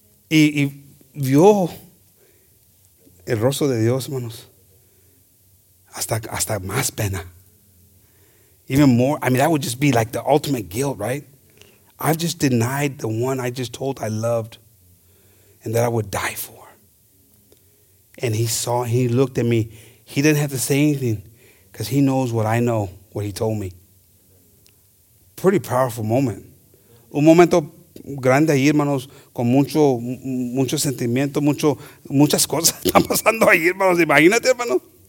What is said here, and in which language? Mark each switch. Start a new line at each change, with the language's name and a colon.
Spanish: Y vio el rostro de Dios, hermanos, hasta más pena.
English: Even more, I mean, that would just be like the ultimate guilt, right? I've just denied the one I just told I loved and that I would die for. And he looked at me. He didn't have to say anything because he knows what I know, what he told me. Pretty powerful moment.
Spanish: Un momento grande ahí, hermanos, con mucho sentimiento, muchas cosas están pasando ahí, hermanos. Imagínate, hermanos.